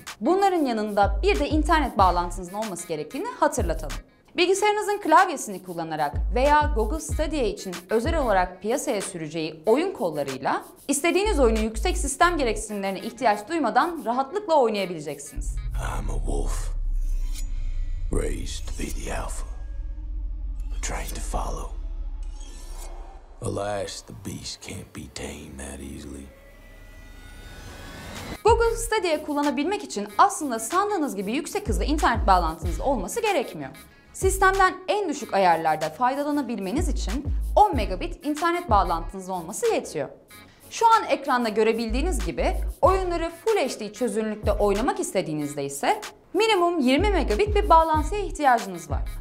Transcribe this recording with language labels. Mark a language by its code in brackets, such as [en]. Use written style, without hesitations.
[tr] Bunların yanında bir de internet bağlantınızın olması gerektiğini hatırlatalım. Bilgisayarınızın klavyesini kullanarak veya Google Stadia için özel olarak piyasaya süreceği oyun kollarıyla istediğiniz oyunu yüksek sistem gereksinimlerine ihtiyaç duymadan rahatlıkla oynayabileceksiniz. [en] I'm a wolf. Raised to be the alpha, trained to follow. Alas, the beast can't be tamed that easily. [tr] Google Stadia kullanabilmek için aslında sandığınız gibi yüksek hızlı internet bağlantınız olması gerekmiyor. Sistemden en düşük ayarlarda faydalanabilmeniz için 10 megabit internet bağlantınız olması yetiyor. Şu an ekranda görebildiğiniz gibi oyunları Full HD çözünürlükte oynamak istediğinizde ise minimum 20 megabit bir bağlantıya ihtiyacınız var.